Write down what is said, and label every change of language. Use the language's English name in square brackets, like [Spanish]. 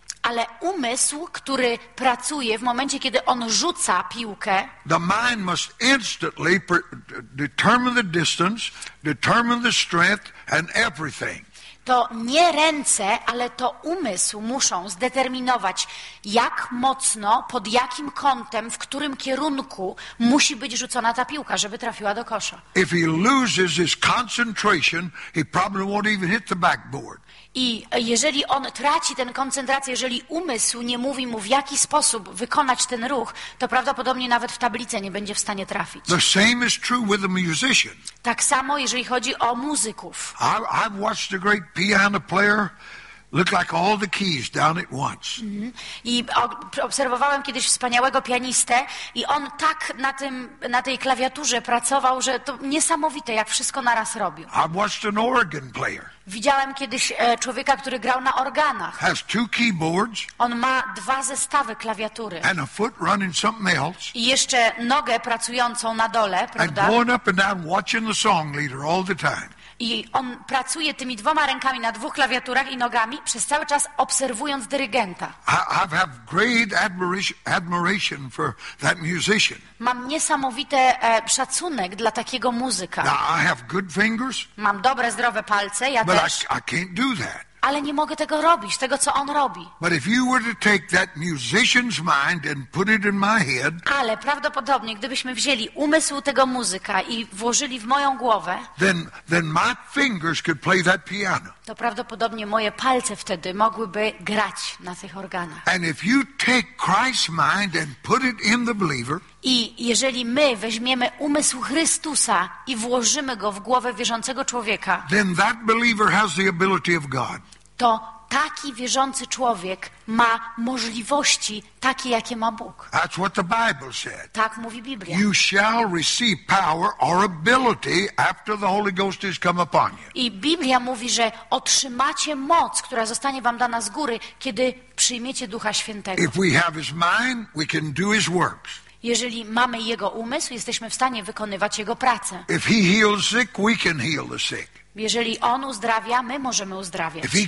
[Polish] Ale umysł, który pracuje w momencie, kiedy on rzuca piłkę. [English] The mind must instantly determine the distance, determine the strength and everything. [Polish] To nie ręce, ale to umysł muszą zdeterminować, jak mocno, pod jakim kątem, w którym kierunku musi być rzucona ta piłka, żeby trafiła do kosza. [English] If he loses his concentration, he probably won't even hit the backboard. [Polish] I jeżeli on traci tę koncentrację, jeżeli umysł nie mówi mu, w jaki sposób wykonać ten ruch, to prawdopodobnie nawet w tablicę nie będzie w stanie trafić. [English] The same is true with the musician. [Polish] Tak samo, jeżeli chodzi o muzyków. [English] I've watched a great piano player look like all the keys down at once. [Polish] I obserwowałem kiedyś wspaniałego pianistę i on tak na tej klawiaturze pracował, że to niesamowite, jak wszystko naraz robił. [English] I've watched an organ player. [Polish] Widziałem kiedyś człowieka, który grał na organach. [English] Has two keyboards. [Polish] On ma dwa zestawy klawiatury. [English] And a foot running something else. [Polish] I jeszcze nogę pracującą na dole, prawda? [English] And going up and down watching the song leader all the time. [Polish] I on pracuje tymi dwoma rękami na dwóch klawiaturach i nogami przez cały czas obserwując dyrygenta. [English] I have great admiration for that musician. [Polish] Mam niesamowity szacunek dla takiego muzyka. [English] Now, I have good fingers, [Polish] mam dobre, zdrowe palce, ja [English] but [Polish] też. [English] I can't do that. [Polish] Ale nie mogę tego robić, tego co on robi. [English] But if you were to take that musician's mind and put it in my head. [Polish] Ale prawdopodobnie gdybyśmy wzięli umysł tego muzyka i włożyli w moją głowę. [English] Then my fingers could play that piano. [Polish] To prawdopodobnie moje palce wtedy mogłyby grać na tych organach. [English] And if you take Christ's mind and put it in the believer. [Polish] I jeżeli my weźmiemy umysł Chrystusa i włożymy go w głowę wierzącego człowieka, [English] then that believer has the ability of God. [Polish] To taki wierzący człowiek ma możliwości takie, jakie ma Bóg. [English] That's what the Bible said. [Polish] Tak mówi Biblia. [English] You shall receive power or ability after the Holy Ghost has come upon you. [Polish] I Biblia mówi, że otrzymacie moc, która zostanie wam dana z góry, kiedy przyjmiecie Ducha Świętego. [English] If we have his mind, we can do his works. [Polish] Jeżeli mamy jego umysł, jesteśmy w stanie wykonywać jego pracę. [English] If he heals sick, we can heal the sick. [Polish] Jeżeli on uzdrawia, my możemy uzdrawiać.